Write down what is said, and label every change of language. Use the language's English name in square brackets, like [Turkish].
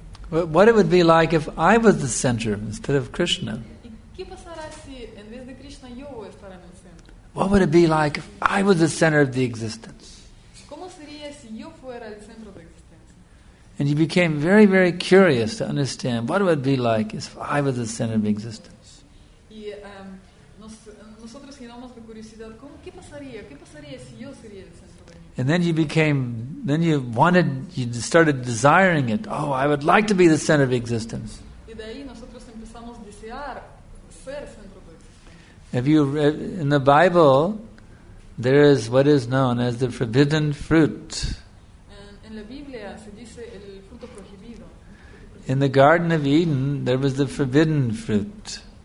[English] What it would be like if I was the center instead of Krishna? [Spanish] ¿Qué pasará si en vez de Krishna yo voy a estar en el centro? [English] What would it be like if I was the center of the existence? [Spanish] ¿Cómo sería si yo fuera el centro de existencia? [English] And you became very, very curious to understand what it would be like if I was the center of existence. [Spanish] Y nosotros llenamos de curiosidad, ¿qué pasaría? ¿Qué pasaría si yo sería el centro de existencia? [English] And you started desiring it. Oh, I would like to be the center of existence. [Spanish] Y de ahí nosotros empezamos a desear ser centro de existencia. [English] Have you read in the Bible, there is what is known as the forbidden fruit. [Spanish] En la Biblia se dice el fruto prohibido. [English] In the Garden of Eden, there was the forbidden fruit.